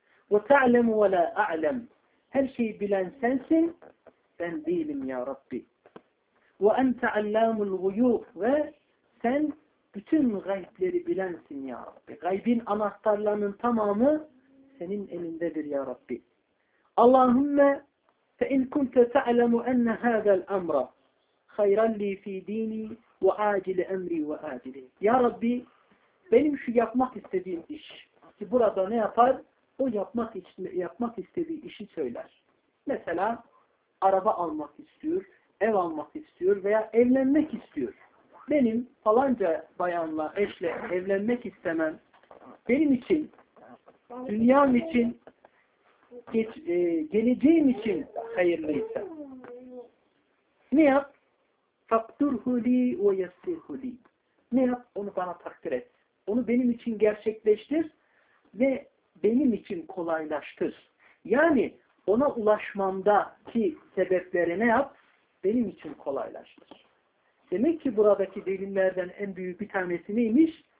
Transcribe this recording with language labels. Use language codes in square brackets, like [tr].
[ar] وَتَعْلَمُ وَلَا أَعْلَمْ [tr] Her şeyi bilen sensin, ben değilim ya Rabbi. [ar] وَأَنْتَ عَلَّامُ الْغُيُوبِ [tr] Ve sen bütün gaybleri bilensin ya Rabbi. Gaybin anahtarlarının tamamı senin elindedir ya Rabbi. [ar] اللهُمَّ فَاِنْ كُنْتَ تَعْلَمُ أَنَّ هَذَا الْأَمْرَ خَيْرًا لِي فِي دِينِي وَعَاجِلِ أَمْرِي وَعَاجِلِي [tr] Ya Rabbi, benim şu yapmak istediğim iş, ki burada ne yapar? O yapmak istediği işi söyler. Mesela araba almak istiyor, ev almak istiyor veya evlenmek istiyor. Benim falanca bayanla, eşle evlenmek istemem benim için, dünyam için, geleceğim için hayırlıysa. Ne yap? [ar] فَقْدُرْهُ لِي وَيَسْتِرْهُ لِي [tr] Ne yap? Onu bana takdir et. Onu benim için gerçekleştir ve benim için kolaylaştır. Yani ona ulaşmamdaki sebepleri ne yap? Benim için kolaylaştır. Demek ki buradaki delillerden en büyük bir tanesi neymiş?